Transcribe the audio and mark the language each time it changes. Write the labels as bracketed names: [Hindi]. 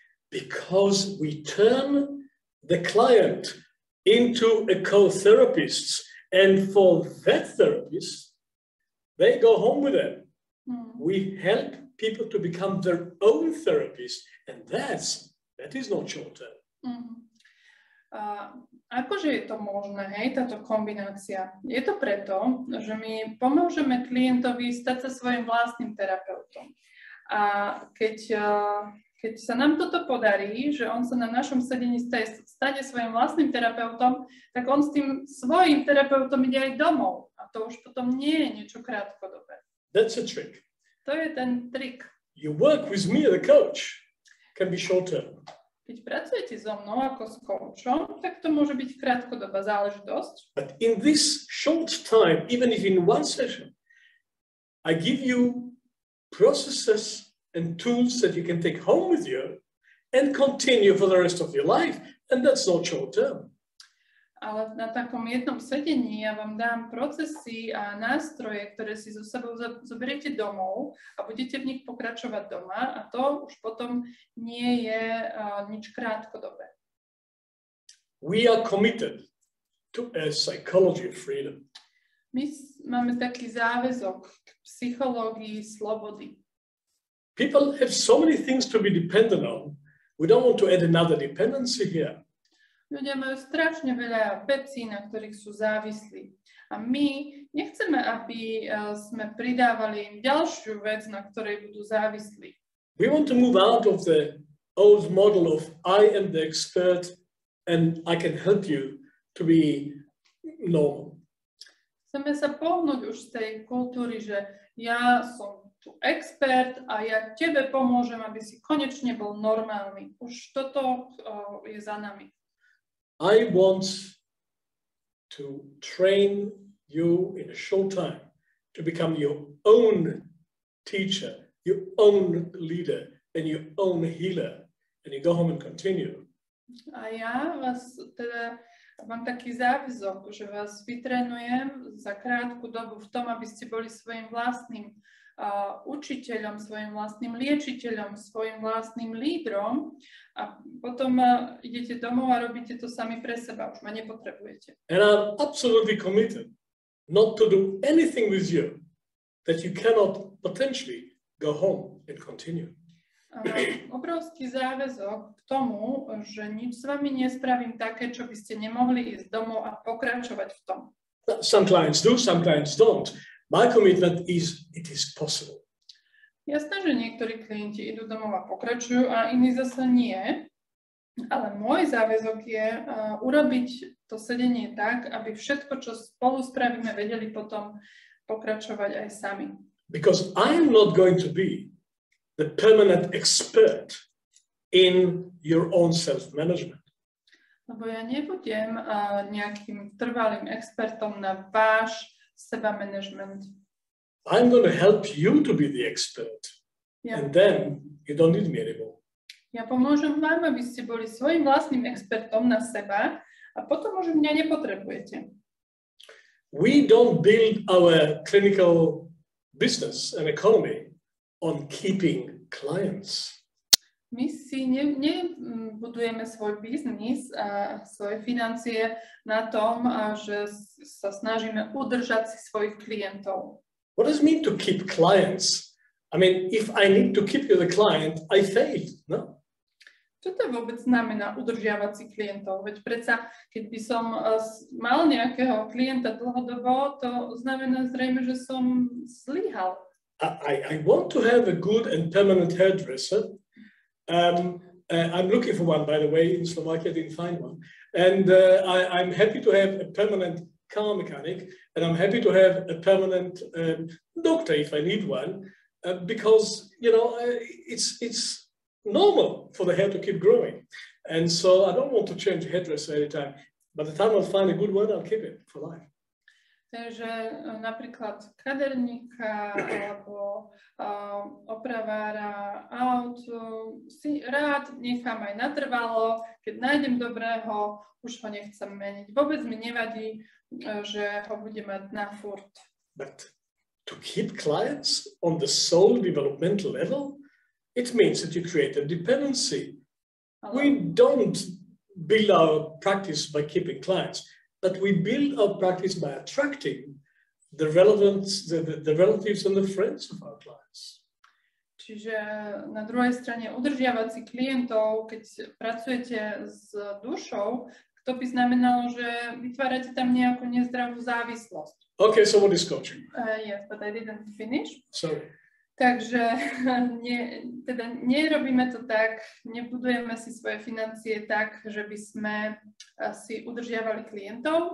[English] Because we turn the client into a co-therapist, and for that therapist, they go home with them. We help people to become their own therapist, and that is not short term. [Slovak] Akože je to možné, hej, táto kombinácia? Je to preto, že my pomôžeme klientovi stať sa svojim vlastným terapeutom. A keď sa nám toto podarí, že on sa na našom sedení stane svojim vlastným terapeutom, tak on s tým svojim terapeutom ide aj domov. A to už potom nie je niečo krátkodobé. [English] That's a trick. [Slovak] To je ten trik. [English] You work with me as a coach. Can be short term. [Slovak] Keď pracujete so mnou ako s coachom, tak to môže byť krátkodobá záležitosť. [English] But in this short time, even if in one session, I give you processes and tools that you can take home with you and continue for the rest of your life, and that's not short term. [Slovak] Ale na takom jednom sedení ja vám dám procesy a nástroje, ktoré si so sebou zoberiete domov a budete v nich pokračovať doma a to už potom nie je nič krátkodobé. [English] We are committed to a psychology of freedom. [Slovak] My máme taký záväzok k psychológii slobody. [English] People have so many things to be dependent on. We don't want to add another dependency here. [Slovak] Ľudia majú strašne veľa vecí, na ktorých sú závislí. A my nechceme, aby sme pridávali im ďalšiu vec, na ktorej budú závislí. [English] We want to move out of the old model of I am the expert and I can help you to be normal. [Slovak] Chceme sa pohnúť už z tej kultúry, že ja som tu expert a ja tebe pomôžem, aby si konečne bol normálny. Už toto je za nami. [English] I want to train you in a short time to become your own teacher, your own leader and your own healer, and you go home and continue. [Slovak] A ja vás teda mám taký záväzok, že vás vytrenujem za krátku dobu v tom, aby ste boli svojim vlastným učiteľom, svojim vlastným liečiteľom, svojim vlastným lídrom a potom idete domov a robíte to sami pre seba, už ma nepotrebujete. [English] And I'm absolutely committed not to do anything with you that you cannot potentially go home and continue. [Slovak] Obrovský záväzok k tomu, že nič s vami nespravím také, čo by ste nemohli ísť domov a pokračovať v tom. [English] Some clients do, some clients don't. My commitment is, it is possible. [Slovak] Jasné, že niektorí klienti idú domov a pokračujú a iní zase nie. Ale môj záväzok je urobiť to sedenie tak, aby všetko, čo spolu spravíme, vedeli potom pokračovať aj sami. [English] Because I am not going to be the permanent expert in your own self-management. [Slovak] Lebo ja nebudem nejakým trvalým expertom na váš seba-management. [English] I'm going to help you to be the expert. Yeah. And then you don't need me anymore. [Slovak] Ja pomôžem vám, aby ste boli svojim vlastným expertom na seba a potom už mňa nepotrebujete. [English] We don't build our clinical business and economy on keeping clients. [Slovak] My si nebudujeme svoj biznis a svoje financie na tom, že sa snažíme udržať si svojich klientov. [English] What does it mean to keep clients? I mean, if I need to keep you the client, I failed, no? [Slovak] Čo to vôbec znamená udržiavať si klientov? Veď predsa, keď by som mal nejakého klienta dlhodobo, to znamená zrejme, že som zlyhal. [English] I want to have a good and permanent hairdresser. I'm looking for one, by the way, in Slovakia, I didn't find one. And I'm happy to have a permanent car mechanic, and I'm happy to have a permanent doctor if I need one, because, you know, it's normal for the hair to keep growing. And so I don't want to change a hairdresser anytime. By the time I find a good one, I'll keep it for life. [Slovak] Takže napríklad kaderníka alebo opravára aut si rád nechám aj natrvalo, keď nájdem dobrého, už ho nechcem meniť. Vôbec mi nevadí, že ho budem mať na furt. [English] But to keep clients on the soul developmental level, it means that you create a dependency. Hello? We don't build our practice by keeping clients. But we build our practice by attracting the relevant the relatives and the friends of our clients. [Slovak] Čiže na druhej strane udržiavať si klientov, keď pracujete s dušou, to by znamenalo, že vytvárate tam nejakú nezdravú závislosť. [English] Okay, so what is coaching? Yes, but I didn't finish. Sorry. [Slovak] Takže teda nerobíme to tak, nebudujeme si svoje financie tak, že by sme si udržiavali klientov.